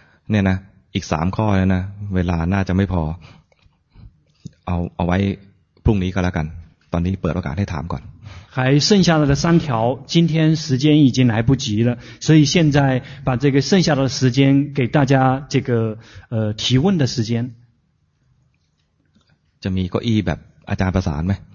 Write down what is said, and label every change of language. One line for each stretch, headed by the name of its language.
Thai: เนี่ยนะอีก3ข้อแล้วนะเวลาน่าจะไม่พอเอาไว้พรุ่งนี้ก็แล้วกันตอนนี้เปิดโอกาสให้ถามก่อน
Chinese: 还剩下的3条今天时间已经来不及了所以现在把这个剩下的时间给大家这个提问的时间
Thai: จะมีเก้าอี้แบบอาจารย์ประสานไหม